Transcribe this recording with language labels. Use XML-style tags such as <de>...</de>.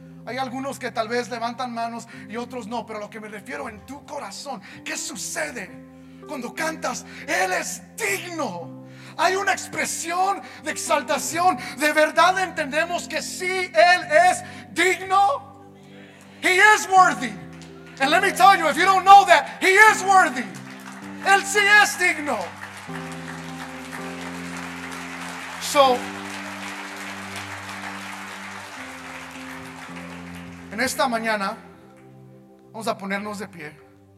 <es>Hay algunos que tal vez levantan manos y otros no, pero lo que me refiero en tu corazón, ¿qué sucede cuando cantas? Él es digno. Hay una expresión de exaltación. De verdad entendemos que sí, Él es digno.</es> <en>He is worthy. And let me tell you, if you don't know that, He is worthy.</en> <es>Él sí es digno. So, en esta mañana vamos a ponernos de pie.</es>